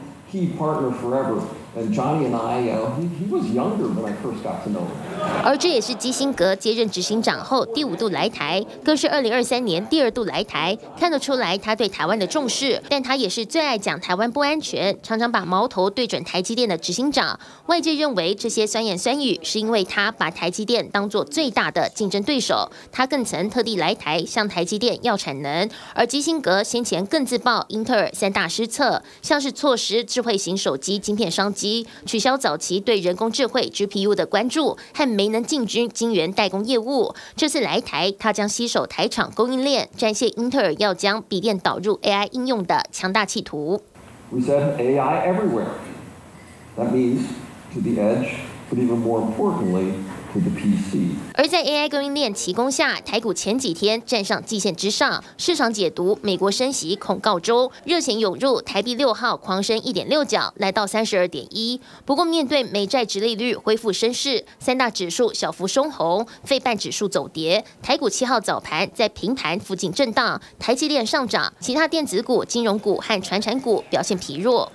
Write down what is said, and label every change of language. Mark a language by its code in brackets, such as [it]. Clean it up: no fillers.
[en] Key partner forever, and Johnny and I, he was younger when I first got to know him. [zh] 而这也是基辛格接任执行长后第五度来台，更是2023年第二度来台，看得出来他对台湾的重视。但他也是最爱讲台湾不安全，常常把矛头对准台积电的执行长。外界认为这些酸言酸语是因为他把台积电当作最大的竞争对手。他更曾特地来台向台积电要产能。而基辛格先前更自曝英特尔三大失策，像是错失智慧型手机晶片商机，取消早期对人工智慧 GPU 的关注，和没能进军晶圆代工业务。这次来台，他将携手台厂供应链，展现英特尔要将笔电导入 AI 应用的强大企图。 [en] We said AI everywhere. That means to the edge, but even more importantly. [zh] 而在 AI 供应链提供下，台股前几天站上季线之上，市场解读美国升息恐告终，热钱涌入，台币六号狂升1.6角，来到32.1。不过面对美债殖利率恢复升势，三大指数小幅收红，费半指数走跌，台股七号早盘在平盘附近震荡，台积电上涨，其他电子股、金融股和传产股表现疲弱。